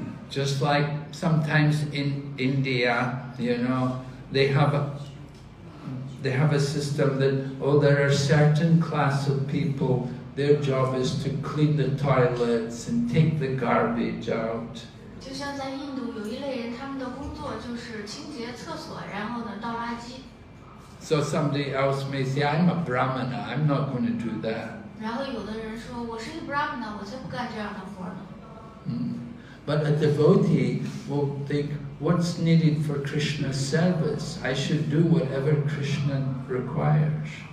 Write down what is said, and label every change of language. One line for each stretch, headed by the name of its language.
English: Just like sometimes in India, you know, they have a system that there are certain class of people. Their job is to clean the toilets and take the garbage out.
Chinese: 就像在印度有一类人，他们的工作就是清洁厕所，然后呢倒垃圾。
English: So somebody else may say, "I'm a Brahmana. I'm not going to do that."
Chinese: 然后有的人说，我是一个 Brahmana， 我才不干这样的活呢。
English: But a devotee will think, what's needed for Krishna's service? I should do whatever Krishna requires.